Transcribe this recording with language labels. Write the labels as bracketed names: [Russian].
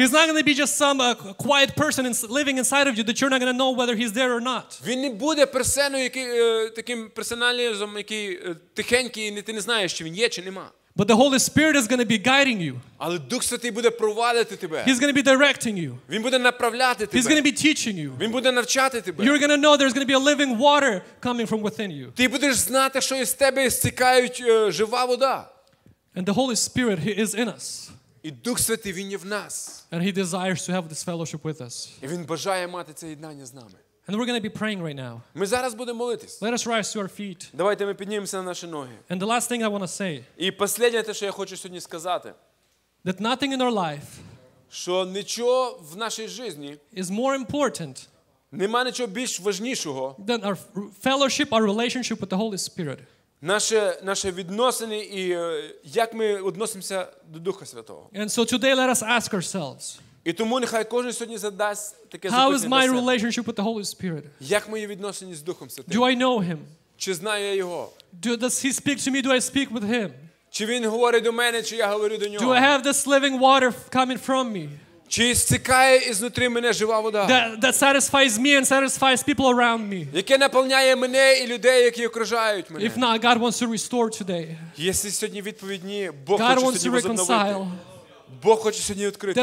[English] He's not going to be just some quiet person living inside of you that you're not going to know whether he's there or not. [Ukrainian] Він не буде персоною, таким персоналізмом, який тихенький, і ти не знаєш, чи він є, чи нема. [English] But the Holy Spirit is going to be guiding you. [Ukrainian] Але Дух Святий буде провадити тебе. [English] He's going to be directing you. [Ukrainian] Він буде направляти тебе. [English] He's going to be teaching you. [Ukrainian] Він буде навчати тебе. [English] You're going to know there's going to be a living water coming from within you. [Ukrainian] Ти будеш знати, що із тебе стікають жива вода. [English] And the Holy Spirit, he is in us. [Ukrainian] І Дух Святий, він є в нас. [English] And he desires to have this fellowship with us. [Ukrainian] І він бажає мати це єднання з нами. [English] And we're going to be praying right now. [Ukrainian] Ми зараз будемо молитись. [English] Let us rise to our feet. [Ukrainian] Давайте ми піднімемося на наші ноги. [English] And the last thing I want to say. [Ukrainian] І останнє те, що я хочу сьогодні сказати. [English] That nothing in our life, [Ukrainian] що нічого в нашій житті [English] is more important. [Ukrainian] Нема нічого більш важнішого. [English] Than our fellowship, our relationship with the Holy Spirit. [Ukrainian] Наше відносини і як ми відносимося до Духа Святого. [English] And so today let us ask ourselves. [Ukrainian] І тому нехай кожен сьогодні задасть таке запитання. [English] How is my relationship with the Holy Spirit? [Ukrainian] Як мої відносини з Духом Святим? [English] Do I know him? [Ukrainian] Чи знаю я його? [English] Does he speak to me? Do I speak with him? [Ukrainian] Чи він говорить до мене, чи я говорю до нього? [English] Do I have this living water coming from me? [Ukrainian] Чи стікає ізнутри мене жива вода? [English] That satisfies me and satisfies people around me. [Ukrainian] Яке наповняє мене і людей, які окружають мене? [English] If not, God wants to restore today. [Ukrainian] Якщо сьогодні відповідь ні, Бог хоче сьогодні відновити. Бог хоче сьогодні відкрити.